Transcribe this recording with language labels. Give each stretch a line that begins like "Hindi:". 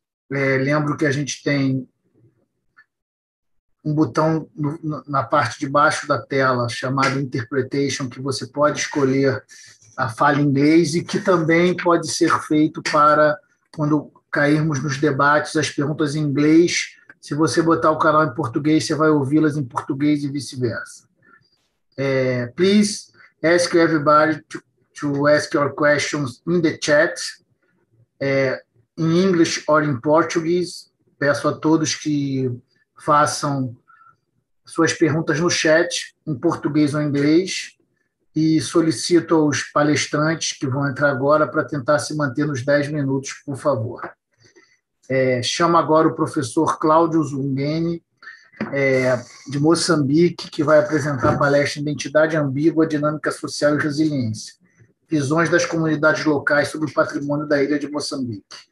Portuguese: Lembro que a gente tem um botão na parte de baixo da tela chamado Interpretation, que você pode escolher a fala em inglês e que também pode ser feito para, quando cairmos nos debates, as perguntas em inglês. Se você botar o canal em português, você vai ouvi-las em português e vice-versa.
English: Please ask everybody to ask your questions in the chat, in English or in Portuguese.
Portuguese: Peço a todos que façam suas perguntas no chat, em português ou em inglês, e solicito aos palestrantes que vão entrar agora para tentar se manter nos 10 minutos, por favor. Chamo agora o professor Cláudio Zungheni, de Moçambique, que vai apresentar a palestra Identidade Ambígua, Dinâmica Social e Resiliência, visões das comunidades locais sobre o patrimônio da ilha de Moçambique.